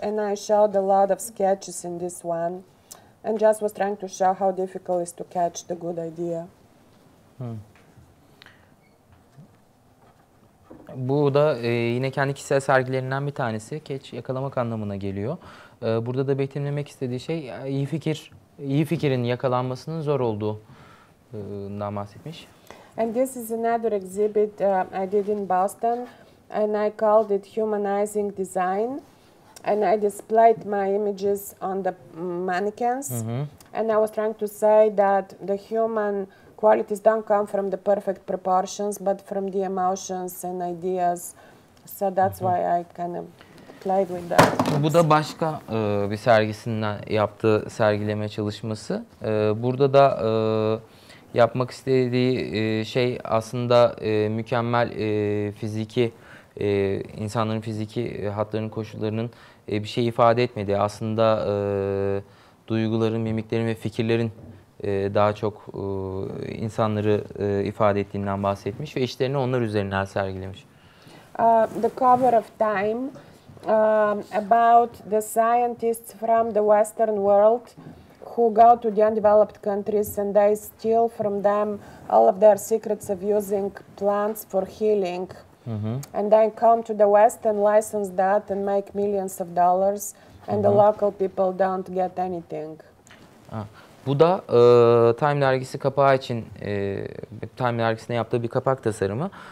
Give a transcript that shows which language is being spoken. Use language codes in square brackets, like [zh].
[en] And I showed a lot of sketches in this one. And just was trying to show how difficult it is to catch the good idea. [tr] Bu da yine kendi kişisel sergilerinden bir tanesi. Catch, yakalamak anlamına geliyor. Burada da betimlemek istediği şey iyi fikrin yakalanmasının zor olduğundan bahsetmiş. [en] And this is another exhibit I did in Boston and I called it Humanizing Design and I displayed my images on the mannequins and I was trying to say that the human qualities don't come from the perfect proportions, but from the emotions and ideas. So that's why I kind of played with that. [tr] Bu da başka bir sergisinden yaptığı sergileme çalışması. Burada da yapmak istediği şey aslında mükemmel fiziki, insanların fiziki hatlarının koşullarının bir şey ifade etmediği. Aslında duyguların, mimiklerin ve fikirlerin daha çok insanları ifade ettiğinden bahsetmiş ve işlerini onlar üzerinden sergilemiş. [en] The Cover of Time, about the scientists from the Western world who go to the undeveloped countries and they steal from them all of their secrets of using plants for healing. And then come to the West and license that and make millions of dollars and the local people don't get anything. [tr] Bu da Time dergisi kapağı için, Time dergisine yaptığı bir kapak tasarımı.